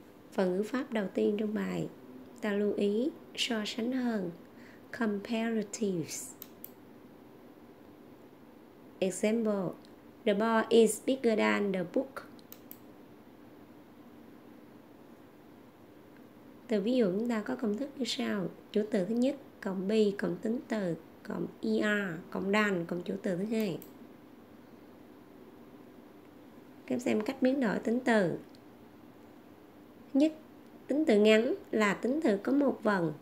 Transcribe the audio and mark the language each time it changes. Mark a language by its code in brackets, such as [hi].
[vi] Phần ngữ pháp đầu tiên trong bài, ta lưu ý so sánh hơn, comparatives. [en] Example, the ball is bigger than the book. [vi] Từ ví dụ chúng ta có công thức như sau. Chủ từ thứ nhất, cộng be, cộng tính từ, cộng er, cộng than, cộng chủ từ thứ hai. Các em xem cách biến đổi tính từ. Nhất, tính từ ngắn là tính từ có một vần.